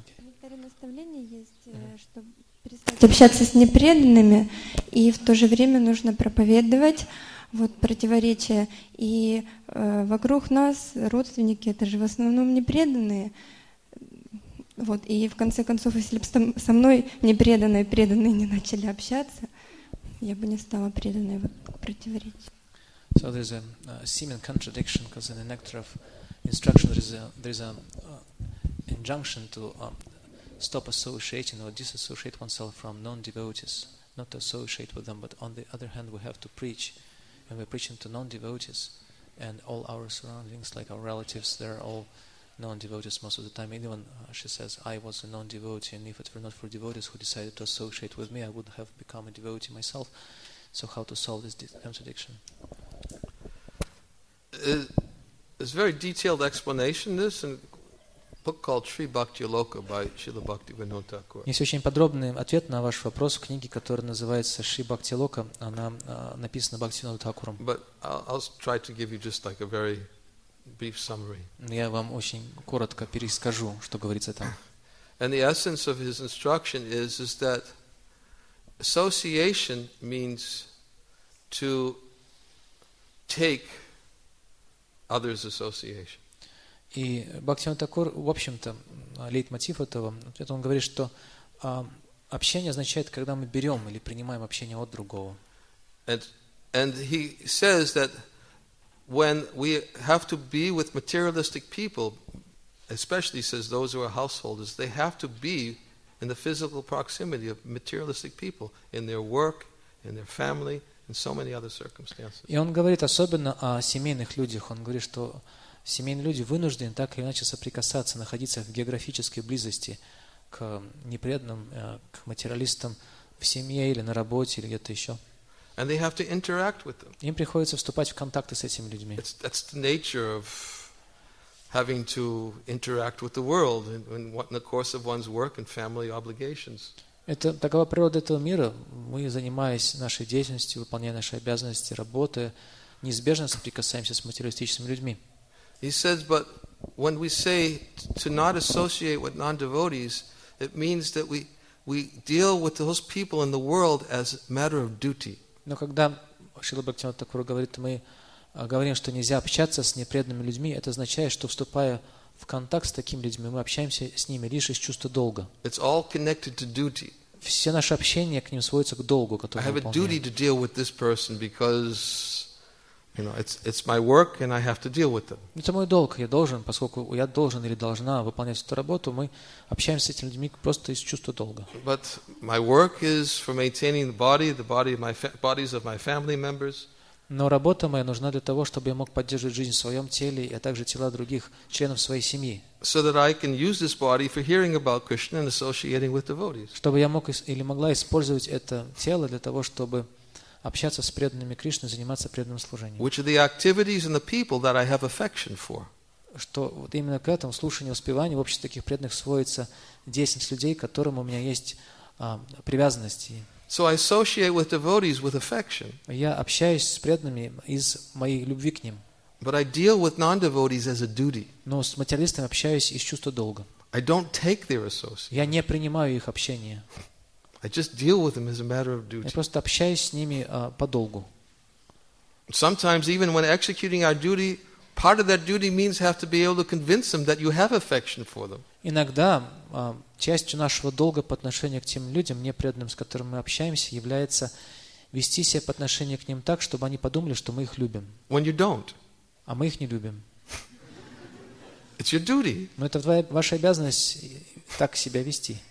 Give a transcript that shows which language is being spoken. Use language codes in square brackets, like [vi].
[ru] Моментарное наставление есть, чтобы перестать общаться с непреданными, и в то же время нужно проповедовать вот противоречия. И вокруг нас родственники, это же в основном непреданные. Вот, и в конце концов, если бы со мной непреданные, преданные не начали общаться, я бы не стала преданной вот, противоречить. [en] So there's a seeming contradiction because in the nectar of instruction there is an injunction to stop associating or disassociate oneself from non-devotees, not to associate with them. But on the other hand, we have to preach, and we're preaching to non-devotees, and all our surroundings, like our relatives, they're all non-devotees most of the time. Anyone, she says, I was a non-devotee, and if it were not for devotees who decided to associate with me, I would have become a devotee myself. So how to solve this contradiction? It's a very detailed explanation, this, in a book called Sri Bhakti Loka by Srila Bhaktivinoda Thakur. [ru] Есть очень подробный ответ на ваш вопрос в книге, которая называется Шри Бхакти Лока. Она написана Бхактивинода Такуром. [en] But I'll try to give you just like a very brief summary. [ru] Я вам очень коротко перескажу, что говорится там. [en] And the essence of his instruction is that association means to take others' association. [ru] И Бхактивинода Такур, в общем-то, лейтмотив этого, это он говорит, что общение означает, когда мы берем или принимаем общение от другого. [en] And he says that when we have to be with materialistic people, especially says those who are householders, they have to be in the physical proximity of materialistic people, in their work, in their family, in so many other circumstances. [ru] И он говорит особенно о семейных людях. Он говорит, что семейные люди вынуждены так или иначе соприкасаться, находиться в географической близости к непреданным, к материалистам в семье или на работе, или где-то еще. [en] And they have to interact with them. [ru] Им приходится вступать в контакты с этими людьми. [en] That's the nature of having to interact with the world in the course of one's work and family obligations. [ru] Это такова природа этого мира. Мы, занимаясь нашей деятельностью, выполняя наши обязанности, работая, неизбежно соприкасаемся с материалистическими людьми. [en] He says, but when we say to not associate with non-devotees, it means that we deal with those people in the world as a matter of duty. [ru] Но когда Шрила Бхактивинода Такура говорит, мы говорим, что нельзя общаться с непреданными людьми, это означает, что вступая в контакт с такими людьми, мы общаемся с ними лишь из чувства долга. [en] It's all connected to duty. [ru] Все наше общение к ним сводится к долгу, который мы выполняем. [en] I have a duty to deal with this person because, you know, it's my work and I have to deal with them. [ru] Это мой долг, я должен, поскольку я должен или должна выполнять эту работу, мы общаемся с этими людьми просто из чувства долга. [en] But my work is for maintaining the bodies of my family members. [ru] Но работа моя нужна для того, чтобы я мог поддерживать жизнь в своем теле, а также тела других членов своей семьи. [en] So that I can use this body for hearing about Krishna and associating with devotees. [ru] Чтобы я мог или могла использовать это тело для того, чтобы общаться с преданными Кришны, заниматься преданным служением. [en] Which are the activities and the people that I have affection for. [ru] Что вот именно к этому слушанию, успеванию в обществе таких преданных сводится деятельность людей, к которым у меня есть привязанности. [en] So I associate with devotees with affection. [ru] Я общаюсь с преданными из моей любви к ним. [en] But I deal with non-devotees as a duty. [ru] Но с материалистами общаюсь из чувства долга. [en] I don't take their association. [ru] Я не принимаю их общение. [en] I just deal with them as a matter of duty. [ru] Я просто общаюсь с ними по долгу. [en] Sometimes even when executing our duty, part of that duty means have to be able to convince them that you have affection for them. [ru] Иногда частью нашего долга по отношению к тем людям, непреданным, с которыми мы общаемся, является вести себя по отношению к ним так, чтобы они подумали, что мы их любим. [en] When you don't. [ru] А мы их не любим. [en] It's your duty. [ru] Но это ваша обязанность так себя вести.